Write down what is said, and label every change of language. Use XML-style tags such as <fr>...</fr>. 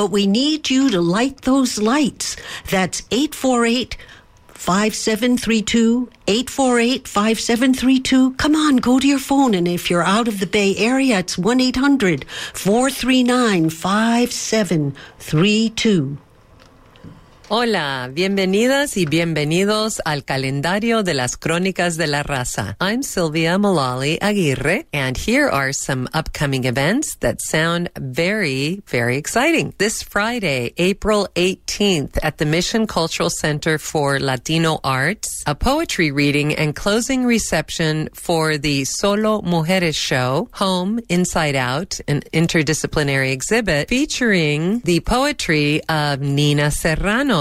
<en>But we need you to light those lights. That's 848-5732, 848-5732. Come on, go to your phone. And if you're out of the Bay Area, it's 1-800-439-5732.</en> <es>Hola, bienvenidas y bienvenidos al calendario de las Crónicas de la Raza.</es> <en>I'm Sylvia Mulally Aguirre, and here are some upcoming events that sound very, very exciting. This Friday, April 18th, at the Mission Cultural Center for Latino Arts, a poetry reading and closing reception for the Solo Mujeres Show, Home Inside Out, an interdisciplinary exhibit featuring the poetry of Nina Serrano.</en>